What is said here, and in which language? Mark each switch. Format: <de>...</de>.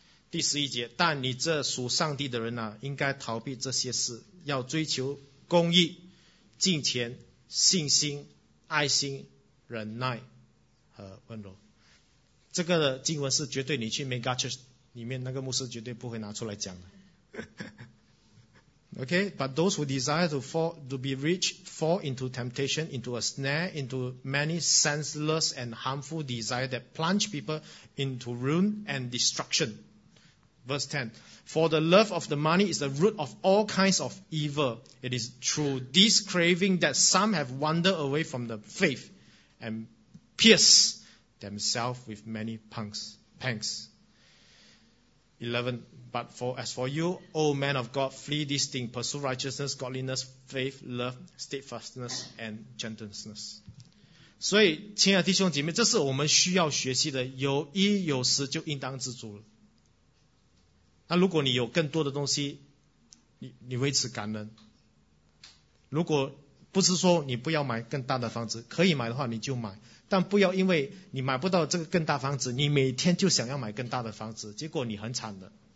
<zh>第十一节，但你这属上帝的人啊，应该逃避这些事，要追求公义、敬虔、信心、爱心、忍耐和温柔。这个经文是绝对你去 mega church 里面那个牧师绝对不会拿出来讲的。</zh> <en>Okay, but those who desire to be rich fall into temptation, into a snare, into many senseless and harmful desires that plunge people into ruin and destruction. Verse 10, for the love of the money is the root of all kinds of evil. It is through this craving that some have wandered away from the faith and pierced themselves with many pangs. 11, but as for you, O man of God, flee this thing, pursue righteousness, godliness, faith, love, steadfastness, and gentleness.</en> <zh>所以，亲爱的弟兄姐妹，这是我们需要学习的，有一有十就应当知足了。那如果你有更多的东西，你为此感恩。如果不是说你不要买更大的房子，可以买的话你就买，但不要因为你买不到这个更大房子，你每天就想要买更大的房子，结果你很惨的。</zh>